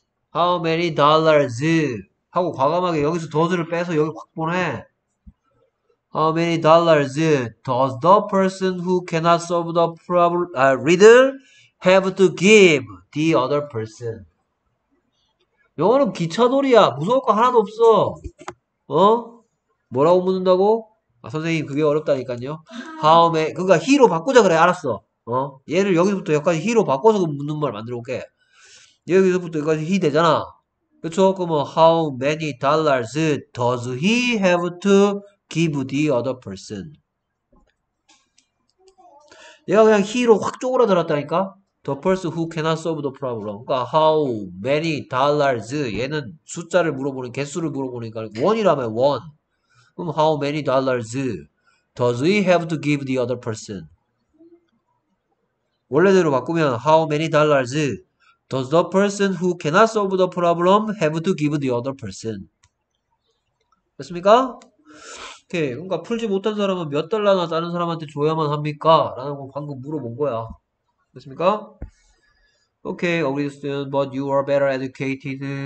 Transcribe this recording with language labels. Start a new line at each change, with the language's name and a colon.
Korean: 하우 매니 달러즈 하고 과감하게 여기서 더즈를 빼서 여기 확 보내.
English: How many dollars does the person who cannot solve the problem, riddle have to give the other person?
Korean: 영어는 기차놀이야. 무서울 거 하나도 없어. 어? 뭐라고 묻는다고? 아, 선생님, 그게 어렵다니까요. How many, 그러니까 he로 바꾸자 그래. 알았어. 얘를 여기서부터 여기까지 he로 바꿔서 묻는 말 만들어 볼게. 여기서부터 여기까지 he 되잖아. 그쵸?
English: 그러면 how many dollars does he have to give the other person.
Korean: 얘가 그냥 히로 확 쪼그라들었다니까?
English: The person who cannot solve the problem. 그러니까 how many dollars.
Korean: 얘는 숫자를 물어보는, 개수를 물어보니까 원이라며, 원.
English: 그럼 how many dollars does he have to give the other person? 원래대로 바꾸면 how many dollars does the person who cannot solve the problem have to give the other person?
Korean: 됐습니까? 오케이. 그러니까 풀지 못한 사람은 몇 달러나 다른 사람한테 줘야만 합니까? 라는 거 방금 물어본 거야. 됐습니까? 오케이.
English: Okay, obvious student, but you are better educated.